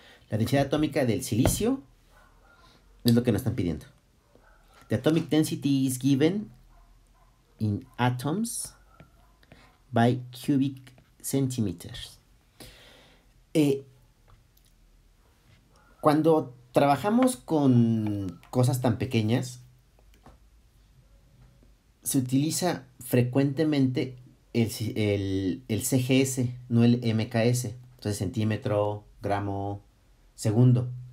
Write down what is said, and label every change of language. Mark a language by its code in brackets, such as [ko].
[es] La densidad atómica del silicio es lo que nos están pidiendo. [en] The atomic density is given in atoms by cubic centimeters. [es] Cuando trabajamos con cosas tan pequeñas, se utiliza frecuentemente el CGS, no el MKS, entonces centímetro, gramo, segundo.